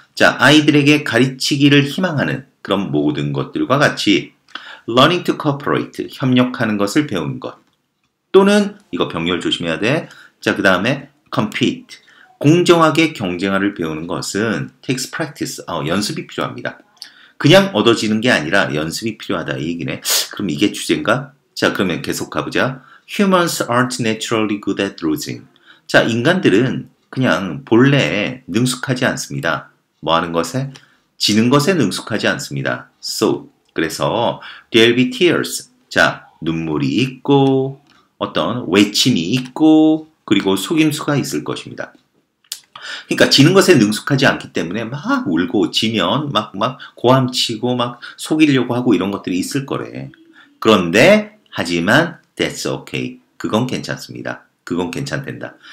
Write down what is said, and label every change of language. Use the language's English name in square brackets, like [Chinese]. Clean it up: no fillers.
[Korean] 자, 아이들에게 가르치기를 희망하는 그런 모든 것들과 같이 [English] learning to cooperate, [Korean] 협력하는 것을 배우는 것. 또는 이거 병렬 조심해야 돼. 자, 그 다음에 compete, 공정하게 경쟁화를 배우는 것은 [English] takes practice, [Korean] 연습이 필요합니다. 그냥 얻어지는 게 아니라 연습이 필요하다 이 얘기네. 그럼 이게 주제인가? 자, 그러면 계속 가보자. [English] Humans aren't naturally good at losing. [Korean] 자, 인간들은 그냥 본래에 능숙하지 않습니다. 뭐 하는 것에? 지는 것에 능숙하지 않습니다. [English] So, [Korean] 그래서 [English] there'll be tears. [Korean] 자, 눈물이 있고 어떤 외침이 있고 그리고 속임수가 있을 것입니다. 그러니까 지는 것에 능숙하지 않기 때문에 막 울고, 지면 막 고함치고 막 속이려고 하고 이런 것들이 있을 거래. 그런데 하지만 [English] that's okay. [Korean] 그건 괜찮습니다. 그건 괜찮된다.